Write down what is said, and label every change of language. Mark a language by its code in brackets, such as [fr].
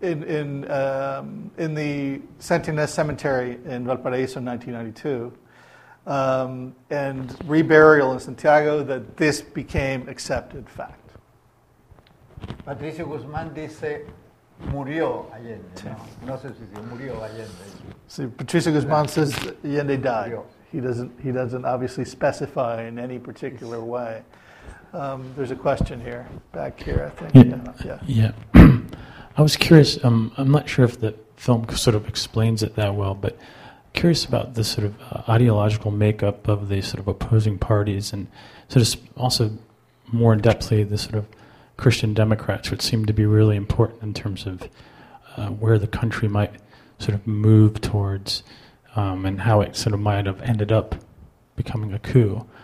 [en] In the Santa Inés Cemetery in Valparaíso in 1992, and reburial in Santiago, that this became accepted fact. [es] Patricio Guzmán dice, murió Allende. No, no sé si murió Allende. [en] See, Patricio Guzmán says Allende died. He doesn't obviously specify in any particular way. There's a question here, back here, I think. Yeah. I was curious, I'm not sure if the film sort of explains it that well, but curious about the sort of ideological makeup of the sort of opposing parties and sort of also more in depthly the sort of Christian Democrats, which seem to be really important in terms of where the country might sort of move towards and how it sort of might have ended up becoming a coup.